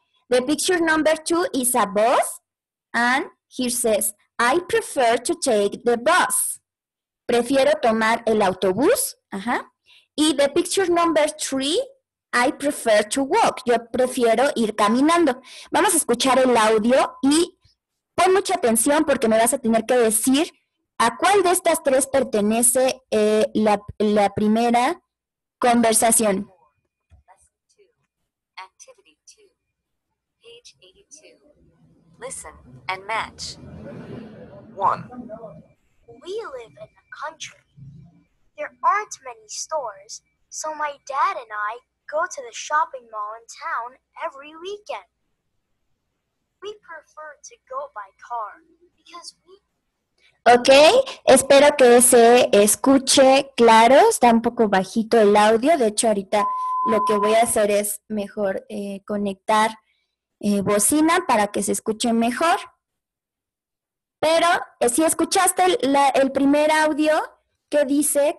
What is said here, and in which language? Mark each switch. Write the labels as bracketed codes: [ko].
[en] The picture number 2 is a bus and he says, I prefer to take the bus. [es] Prefiero tomar el autobús. [en] Ajá. Y the picture number 3, I prefer to walk. [es] Yo prefiero ir caminando. Vamos a escuchar el audio y pon mucha atención porque me vas a tener que decir a cuál de estas tres pertenece la primera conversación. [en] Activity 2, page 82. Listen and match. 1. We live in the country. There aren't many stores, so my dad and I go to the shopping mall in town every weekend. We prefer to go by car because we... [es] Ok, espero que se escuche claro, está un poco bajito el audio, de hecho ahorita lo que voy a hacer es mejor conectar bocina para que se escuche mejor. Pero si escuchaste el primer audio, ¿qué dice?